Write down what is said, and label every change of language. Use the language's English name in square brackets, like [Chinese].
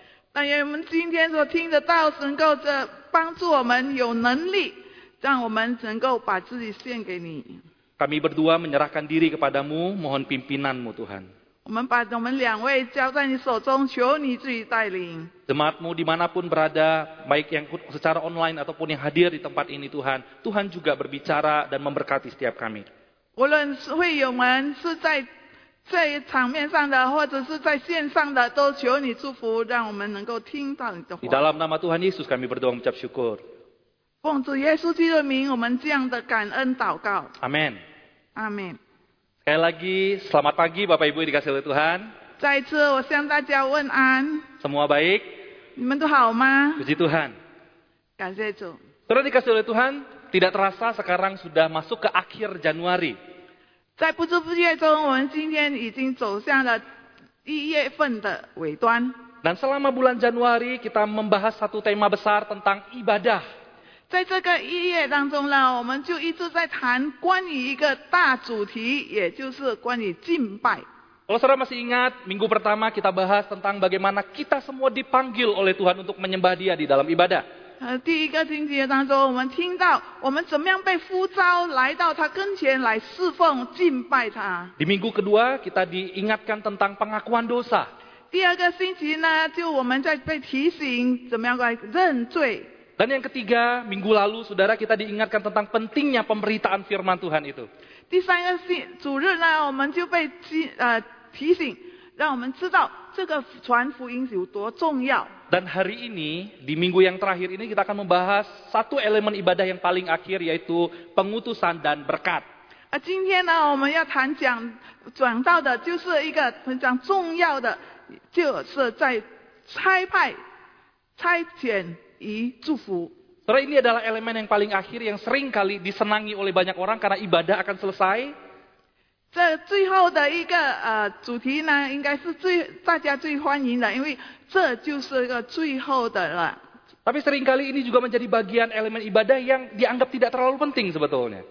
[Chinese] 但愿我们今天所听得到能够帮助我们有能力让我们能够把自己献给你。 [Indonesian] Kami berdua menyerahkan diri kepadamu, mohon pimpinanmu Tuhan. [Chinese] 我们把我们两位交在你手中，求你自己带领。 [Indonesian] Jemaatmu dimanapun berada, baik yang secara online ataupun yang hadir di tempat ini Tuhan, Tuhan juga berbicara dan memberkati setiap kami. [Chinese] 无论会友们是在这一场面上的，或者是在线上的，都求你祝福，让我们能够听到你的话。 [Indonesian] Di dalam nama Tuhan Yesus kami berdoa mengucap syukur. [Chinese] 奉主耶稣基督的名，我们这样的感恩祷告。 Amen. Amen. [Indonesian] Sekali lagi, selamat pagi Bapak Ibu yang dikasihi oleh Tuhan. [Chinese] 再一次我向大家问安。 [Indonesian] Semua baik? [Chinese] 你们都好吗？ [Indonesian] Puji Tuhan. [Chinese] 感谢主。 [Indonesian] Sudah dikasihi oleh Tuhan, tidak terasa sekarang sudah masuk ke akhir Januari. [Chinese] 在不知不觉中我们今天已经走向了一月份的尾端。 [Indonesian] Dan selama bulan Januari, kita membahas satu tema besar tentang ibadah. [Chinese] 在这个一页当中呢，我们就一直在谈关于一个大主题，也就是关于敬拜。 [Indonesian] Kalau saudara masih ingat, minggu pertama kita bahas tentang bagaimana kita semua dipanggil oleh Tuhan untuk menyembah Dia di dalam ibadah. [Chinese] 第一个星期当中，我们听到我们怎么样被呼召来到他跟前来侍奉敬拜他。 [Indonesian] Di minggu kedua kita diingatkan tentang pengakuan dosa. [Chinese] 第二个星期呢，就我们在被提醒怎么样来认罪。 [Indonesian] Dan yang ketiga, minggu lalu, saudara, kita diingatkan tentang pentingnya pemberitaan firman Tuhan itu. [Chinese] 第三个星主日呢，我们就被提醒，让我们知道这个传福音有多重要。 [Indonesian] Dan hari ini, di minggu yang terakhir ini, kita akan membahas satu elemen ibadah yang paling akhir, yaitu pengutusan dan berkat. [Chinese] 今天呢，我们要谈讲讲到的就是一个非常重要的，就是在差派、差遣。 I 祝福。 [Indonesian] Saudara, ini adalah elemen yang paling akhir yang sering kali disenangi oleh banyak orang karena ibadah akan selesai. [Chinese] 这最后的一个主题呢，应该是最大家最欢迎的，因为这就是一个最后的了。 [Indonesian] Tapi sering kali ini juga menjadi bagian elemen ibadah yang dianggap tidak terlalu penting sebetulnya.